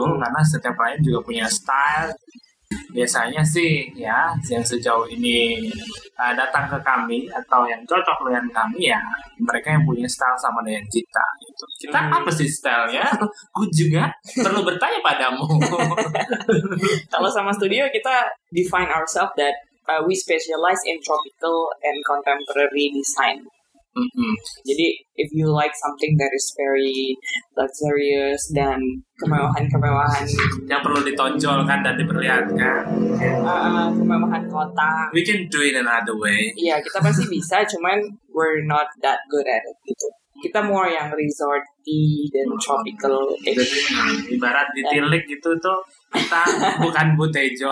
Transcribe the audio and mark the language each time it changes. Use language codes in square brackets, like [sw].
[id] Karena setiap lain juga punya style. Biasanya sih ya yang sejauh ini datang ke kami atau yang cocok dengan kami ya mereka yang punya style sama dengan kita gitu. Kita apa sih stylenya? Aku juga perlu bertanya padamu. [en] Kalau Sama Studio kita define ourselves that we specialize in tropical and contemporary design. Jadi if you like something that is very luxurious [id] dan kemewahan-kemewahan yang perlu ditonjolkan dan diperlihatkan, kemewahan kota, [en] we can do it another way. [id] Iya, kita pasti bisa, cuman [en] we're not that good at it gitu. [id] Kita more yang resorty dan tropical. Ibarat ditilik dan gitu tuh kita bukan Butejo.